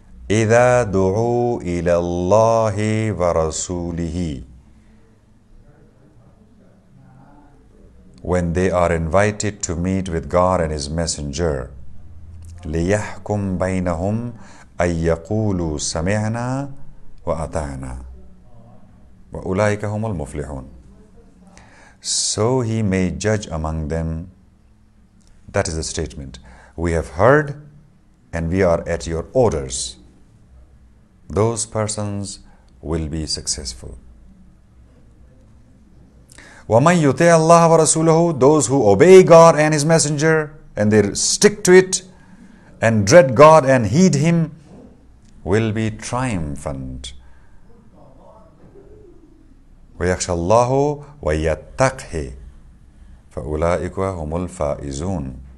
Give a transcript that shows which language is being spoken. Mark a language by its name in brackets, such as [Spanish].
[Arabic] إذا دعوا إلى الله ورسوله. [English] When they are invited to meet with God and His Messenger. [Arabic] ليحكم بينهم أن يقولوا سمعنا وأطعنا. وأولئك هم المفلحون. [English] So he may judge among them. That is the statement. We have heard and we are at your orders. Those persons will be successful. [Arabic] وَمَنْ يُطِعَ اللَّهَ وَرَسُولَهُ. [English] Those who obey God and His Messenger and they stick to it and dread God and heed Him will be triumphant. [Arabic] ويخشى الله ويتقه فأولئك هم الفائزون.